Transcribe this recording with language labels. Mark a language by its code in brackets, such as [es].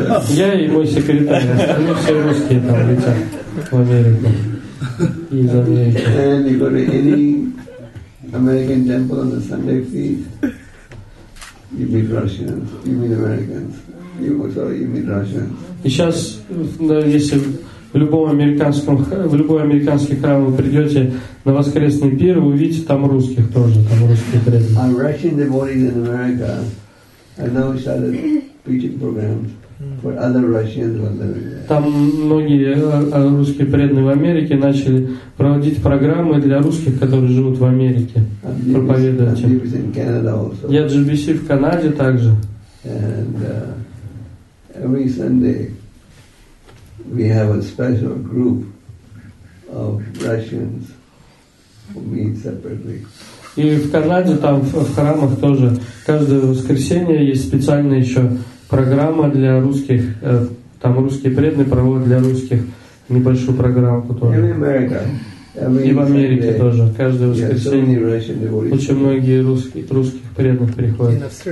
[ru] Я и мой секретарь. Они все русские там летят в Америку. Из Америки. [en] And you go to any American temple on the Sunday feast, you meet Russians. You meet Americans. You meet Russians. [ru] И сейчас, да, если в любой американский храм вы придете на воскресный пир, вы увидите там русских тоже, там русские преданные. [en] A Russian devotee in America has now started preaching programs for other Russians who are living there. [ru] Там многие русские преданные в Америке начали проводить программы для русских, которые живут в Америке, проповедовать. Я GBC в Канаде также. [en] And every Sunday we have a special group of Russians who meet separately. [ru] И в Канаде там в храмах тоже каждое воскресенье есть специальная еще программа для русских. Там русские преданные проводят для русских небольшую программу тоже. И в Америке тоже каждое воскресенье очень многие русские преданные приходят.